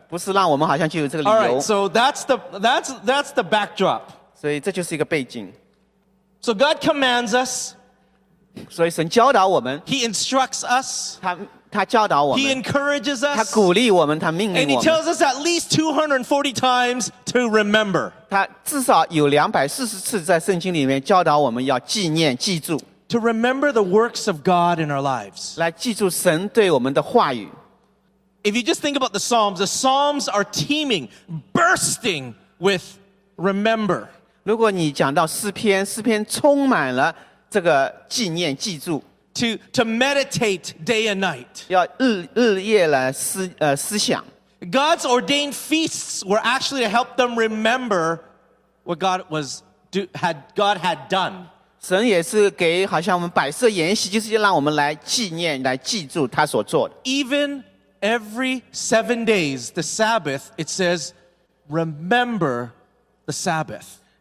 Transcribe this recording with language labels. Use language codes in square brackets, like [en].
[zh] 不是让我们好像就有这个理由。 [en] All right, so that's the backdrop. [zh] 所以这就是一个背景。 [en] So God commands us. [zh] 所以神教导我们。 [en] He instructs us. [zh] 他教导我们。 [en] He encourages us. [zh] 他鼓励我们, 他命令我们。 [en] And he tells us at least 240 times to remember. [zh] 他至少有240次在圣经里面教导我们要纪念记住。 [en] To remember the works of God in our lives. [zh] 来记住神对我们的话语。 [en] If you just think about the Psalms are teeming, bursting with remember. [zh] 如果你讲到诗篇, 诗篇充满了这个纪念, 记住。 [en] to meditate day and night. [zh] 要日夜来思想。 [en] God's ordained feasts were actually to help them remember what God had done. [zh] 神也是给好像我们摆设筵席，就是让我们来纪念、来记住他所做的。 [en] Even every 7 days, the Sabbath, it says, remember the Sabbath.